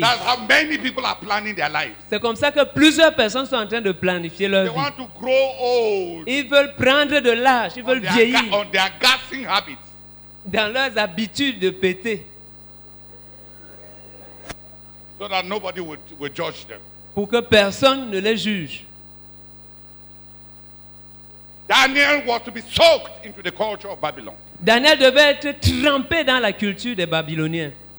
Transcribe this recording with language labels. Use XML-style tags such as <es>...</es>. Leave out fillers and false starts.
<en>That's how many people are planning their lives.</en> <fr>C'est comme ça que plusieurs personnes sont en train de planifier leur</fr> <en>They</en> <fr>vie.</fr> <en>Want to grow old.</en> <fr>Ils veulent prendre de l'âge, ils veulent vieillir.</fr> <en>On their gassing habits.</en> <fr>Dans leurs habitudes de péter.</fr> <en>So that nobody would judge them.</en> <fr>Pour que personne ne les juge.</fr> <en>Daniel was to be soaked into the culture of Babylon.</en> <fr>Daniel devait être trempé dans la culture des Babyloniens.</fr>